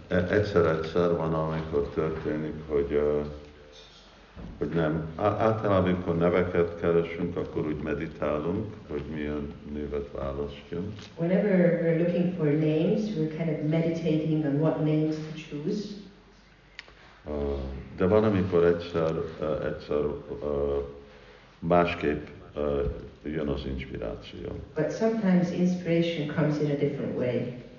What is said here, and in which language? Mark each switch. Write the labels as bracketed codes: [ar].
[hu] Egyszer-egyszer van, amikor történik, hogy nem. Általában, amikor neveket keresünk, akkor úgy meditálunk, hogy milyen névet választjunk. [en] Whenever we're looking for names, we're kind of meditating on what names to choose. [hu] De van, amikor egyszer másképp jön az inspiráció. [en] But sometimes inspiration comes in a different way.